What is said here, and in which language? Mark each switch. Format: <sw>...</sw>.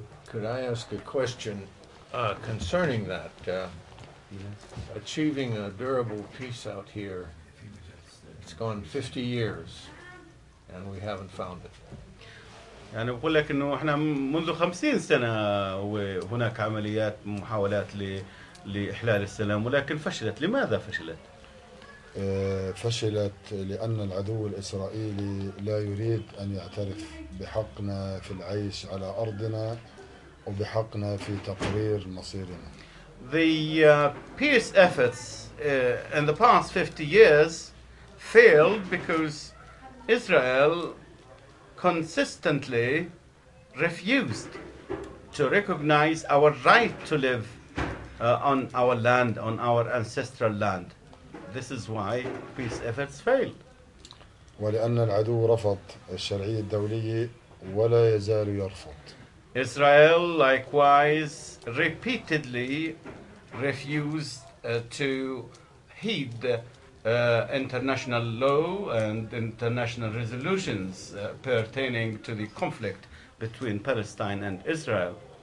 <en>Could I ask a question concerning that? Achieving a durable peace out here, it's gone 50 years, and we haven't found it.</en> <ar>يعني بقول لك إنه إحنا منذ 50 سنة وهناك عمليات محاولات ل لإحلال السلام ولكن فشلت. لماذا فشلت؟ فشلت لأن العدو الإسرائيلي لا يريد أن يعترف بحقنا في العيش على أرضنا وبحقنا في تقرير مصيرنا.</ar> <en>The peace efforts in the past 50 years failed because Israel consistently refused to recognize our right to live on our land, on our ancestral land. This is why peace efforts failed.</en> <ar>ولأن العدو رفض الشرعية الدولية ولا يزال يرفض.</ar> <en>Israel likewise repeatedly refused to heed international law and international resolutions pertaining to the conflict between Palestine and Israel.</en>